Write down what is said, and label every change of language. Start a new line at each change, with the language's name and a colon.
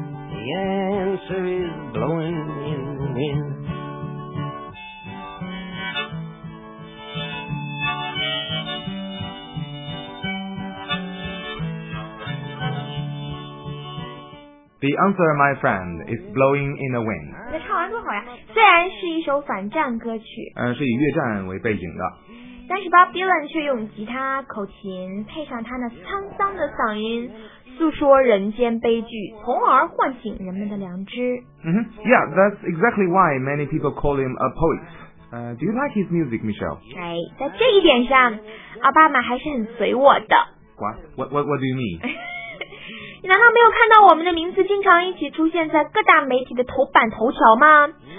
English: The answer is blowing in the wind. The answer, my friend, is blowing in the wind.
Chinese: 那唱完多好呀，虽然是一首反战歌曲，是以越战为背景的，但是 Bob Dylan 却用吉他、口琴配上他那沧桑的嗓音，诉说人间悲剧，从而唤醒人们的良知。
English: Yeah, that's exactly why many people call him a poet. Do you like his music, Michelle?
Chinese: 哎，在这一点上，奥巴马还是很随我的。
English: What do you mean?
Chinese: 你难道没有看到我们的名字经常一起出现在各大媒体的头版头条吗？